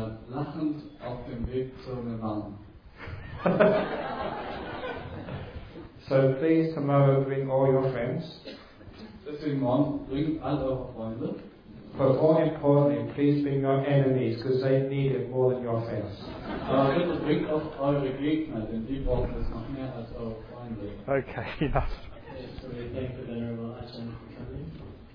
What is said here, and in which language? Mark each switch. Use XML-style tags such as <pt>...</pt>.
<de>Lachend auf dem Weg zur Nirvana.</de> <en>So please tomorrow bring all your friends.</en> <de>Deswegen morgen bring all eure Freunde.</de> <en>But more importantly, please bring your enemies, because they need it more than your friends.</en> <de>Bring auch eure Gegner, denn die brauchen es noch mehr als eure Freunde.</de> <en>Okay, yeah. Okay, so we thank you very much for coming.</en>